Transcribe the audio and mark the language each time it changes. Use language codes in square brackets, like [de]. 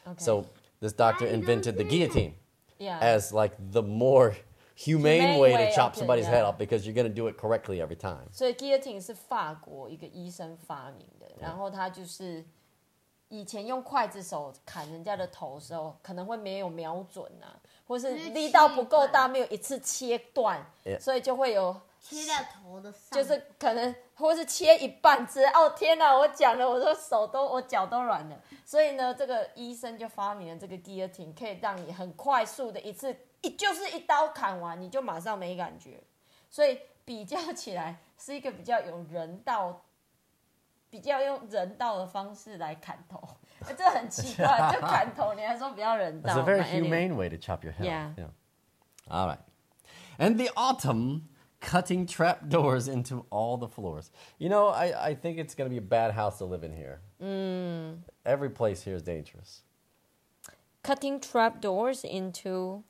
[en] So this doctor invented the guillotine as like the more humane way to chop somebody's head off, because you're going to do it correctly every time. So guillotine is [zh] 法国一个医生发明的, 然后他就是以前用筷子手砍人家的头的时候, 可能会没有瞄准啊, 或是力道不够大, 没有一次切断, 所以就会有 切到头的上，就是可能，或是切一半之，哦天哪，我讲了，我的手都，我脚都软了。所以呢，这个医生就发明了这个guillotine，可以让你很快速的一次，就是一刀砍完，你就马上没感觉。所以比较起来，是一个比较有人道，比较用人道的方式来砍头，这很奇怪，就砍头你还说比较人道。 [en] It's a very humane way to chop your head. Yeah. All right, and the autumn. Cutting trap doors into all the floors. You know, I think it's going to be a bad house to live in here. Every place here is dangerous. Cutting trap doors into...